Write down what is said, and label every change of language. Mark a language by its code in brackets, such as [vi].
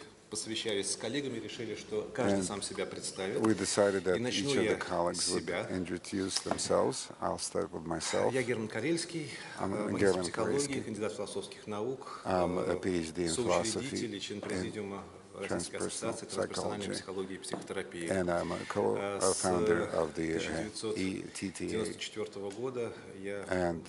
[ru] Посовещались с коллегами, решили, что каждый сам себя представит. [en] We decided that each of the colleagues would introduce themselves. I'll start with myself. [ru] Я Герман Карельский, магистр психологии, кандидат философских наук, соучредитель и член президиума Российской ассоциации трансперсональной психологии и психотерапии. [en] And I'm a co-founder of the ETT.